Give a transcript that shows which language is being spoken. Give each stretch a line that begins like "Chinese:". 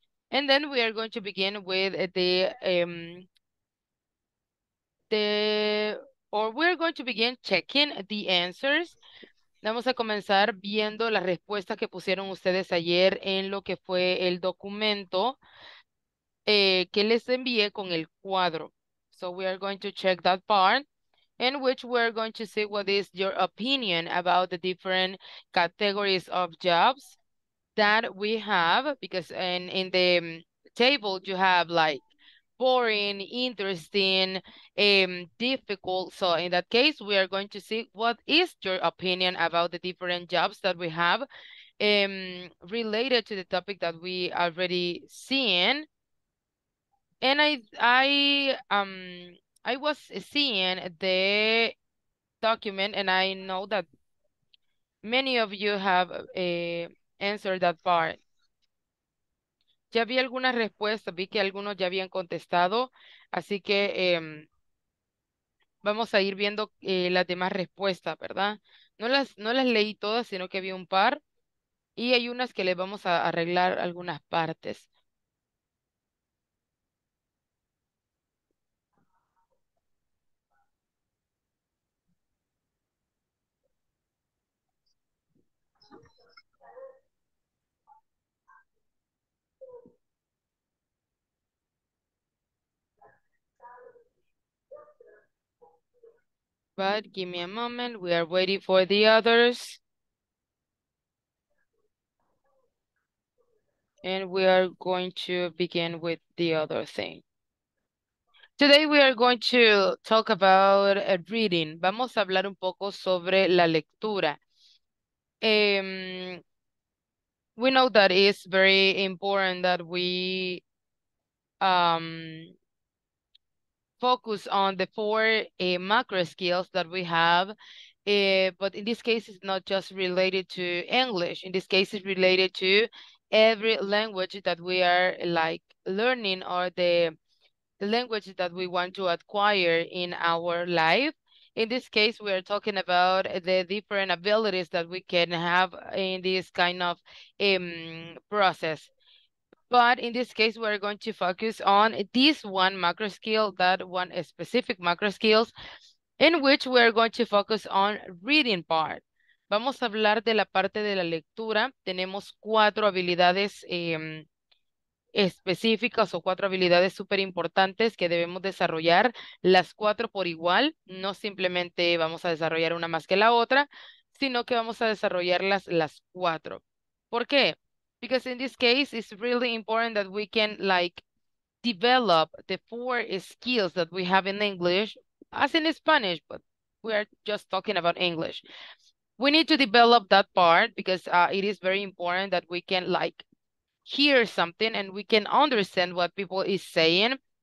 English: And then we are going to begin with or we're going to begin checking the answers.
Spanish: Vamos a comenzar viendo las respuestas que pusieron ustedes ayer en lo que fue el documento que les envié con el cuadro.
English: So we are going to check that part, in which we are going to see what is your opinion about the different categories of jobs that we have, because in the table you have like boring, interesting, difficult. So in that case, we are going to see what is your opinion about the different jobs that we have related to the topic that we already seen. And I was seeing the document, and I know that many of you have answered that part.
Spanish: Ya vi algunas respuestas, vi que algunos ya habían contestado, así que vamos a ir viendo las demás respuestas, ¿verdad? No las leí todas, sino que vi un par y hay unas que les vamos a arreglar algunas partes.
English: But give me a moment, we are waiting for the others. And we are going to begin with the other thing. Today we are going to talk about reading.
Spanish: Vamos a hablar un poco sobre la lectura.
English: We know that it's very important that we focus on the four macro skills that we have. But in this case, it's not just related to English. In this case, it's related to every language that we are like learning, or the language that we want to acquire in our life. In this case, we are talking about the different abilities that we can have in this kind of process. But in this case, we're going to focus on this one macro skill, that one specific macro skills, in which we're going to focus on reading part.
Spanish: Vamos a hablar de la parte de la lectura. Tenemos cuatro habilidades específicas, o cuatro habilidades súper importantes que debemos desarrollar, las cuatro por igual. No simplemente vamos a desarrollar una más que la otra, sino que vamos a desarrollarlas las cuatro. ¿Por qué?
English: Because in this case, it's really important that we can like develop the four skills that we have in English, as in Spanish, but we are just talking about English. We need to develop that part because it is very important that we can like hear something and we can understand what people is saying.